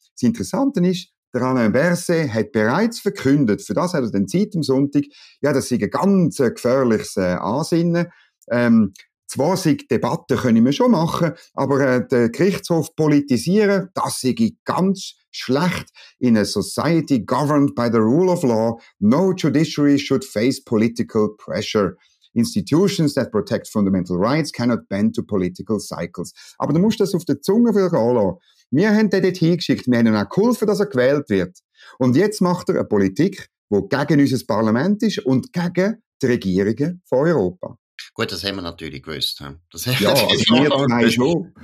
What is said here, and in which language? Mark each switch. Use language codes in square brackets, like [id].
[de] Das Interessante ist, der Alain Berset hat bereits verkündet, für das hat er dann Zeit am Sonntag, ja, das sei ein ganz gefährliches Ansinnen. Zwar sind Debatten können wir schon machen, aber den Gerichtshof politisieren, das sei ganz schlecht. [en] In a society governed by the rule of law, no judiciary should face political pressure. Institutions that protect fundamental rights cannot bend to political cycles. [de] Aber du musst das auf der Zunge verhauen. Wir haben den dort hingeschickt, wir haben ihm auch geholfen, dass er gewählt wird. Und jetzt macht er eine Politik, die gegen unser Parlament ist und gegen die Regierungen von Europa. Gut, das haben wir natürlich gewusst. Das ja, also wir zwei schon.